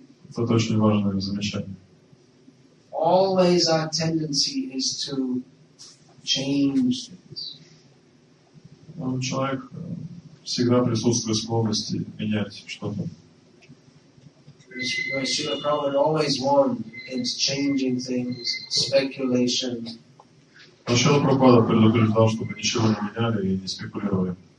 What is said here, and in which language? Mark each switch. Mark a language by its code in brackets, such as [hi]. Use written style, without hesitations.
[ru] Это очень важное замечание. [en] Always our tendency is to change things. [ru] Человек всегда присутствует склонности менять что-то. [en] Srila Prabhupada always warned against changing things, speculation. [ru] Srila Prabhupada предупреждал, чтобы ничего не меняли и не спекулировали.